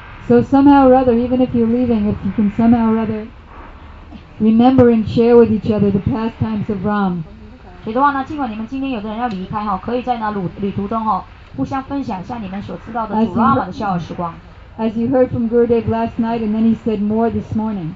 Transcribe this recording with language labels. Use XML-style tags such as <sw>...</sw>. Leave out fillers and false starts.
<en>So somehow or other, even if you're leaving, if you can somehow or other remember and share with each other the pastimes of Ram.</en> <zh>所以的话呢，尽管你们今天有的人要离开哈，可以在那旅途中哈，互相分享一下你们所知道的主 Rama 的逍遥时光。</zh> <en>As you heard from Gurudev last night, and then he said more this morning.</en>